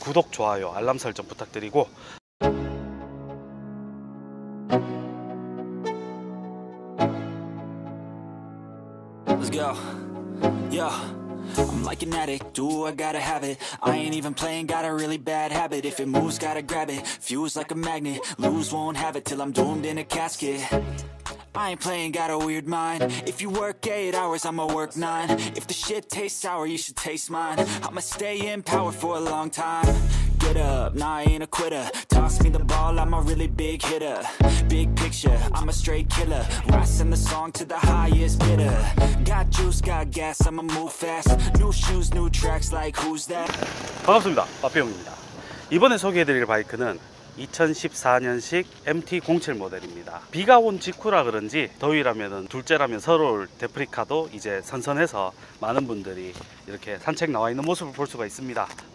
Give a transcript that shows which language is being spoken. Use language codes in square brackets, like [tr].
[ko] 좋아요, 알람 설정 부탁드리고 [en] Let's go. Yeah. I'm like an addict, do I gotta have it? I ain't even playing, got a really bad habit. If it moves, gotta grab it. Fuse like a magnet, lose, won't have it till I'm doomed in a casket. I ain't playing, got a weird mind. If you work 8 hours, I'ma work 9. If the shit tastes sour, you should taste mine. I'ma stay in power for a long time. Get up, nah, I ain't a quitter. Toss me the ball, I'm a really big hitter. Big picture, I'm a straight killer. Rising the song to the highest bidder. Got juice, got gas, I'ma move fast. New shoes, new tracks, like who's that? [ko] 반갑습니다, 빠삐용입니다. 이번에 소개해드릴 바이크는 2014년식 MT07 모델입니다. 비가 온 직후라 그런지 더위라면 둘째라면 서울 데프리카도 이제 선선해서 많은 분들이 이렇게 산책 나와 있는 모습을 볼 수가 있습니다.